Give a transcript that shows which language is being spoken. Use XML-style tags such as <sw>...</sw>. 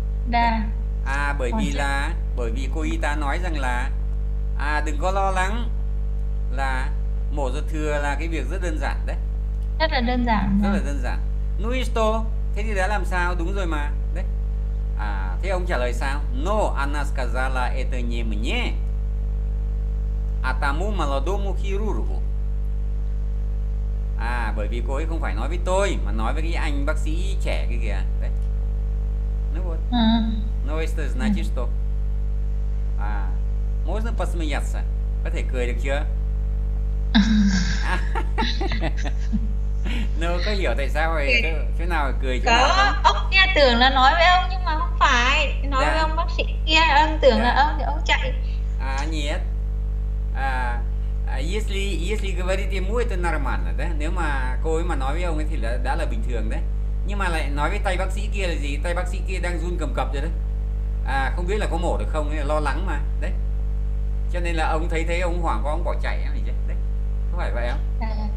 <vi>Đà. À, bởi Còn vì chứ. là bởi vì cô y tá nói rằng là à đừng có lo lắng, là mổ ruột thừa là cái việc rất đơn giản đấy. Rất là đơn giản Rất là mà. đơn giản. Nuisto, thế thì đã làm sao? Đúng rồi mà, đấy. À, thế ông trả lời sao?</vi> <ru>No, Anna сказала это не мне, а тому молодому хирургу.</ru> <vi>À, bởi vì cô ấy không phải nói với tôi mà nói với cái anh bác sĩ trẻ cái kìa đấy.</vi> <ru>Ну вот. No, это значит что?</ru> <vi>À,</vi> <ru>можно посмеяться?</ru> <vi>Có thể cười được chưa? À. No, có hiểu tại sao rồi, chỗ nào cười chỗ nào không? Có, ông kia tưởng là nói với ông nhưng mà không phải, nói với Dạ. ông bác sĩ kia, ông tưởng Dạ. là ông thì ông chạy.</vi> <ru>À, нет. À, если говорить ему это нормально, да?</ru> <vi>Nếu mà cô ấy mà nói với ông ấy thì là, đã là bình thường đấy. Nhưng mà lại nói với tay bác sĩ kia là gì? Tay bác sĩ kia đang run cầm cập rồi đấy. À, không biết là có mổ được không, lo lắng mà, đấy. Cho nên là ông thấy thế ông hoảng quá ông bỏ chạy ấy chứ, đấy. Có phải vậy không?</vi>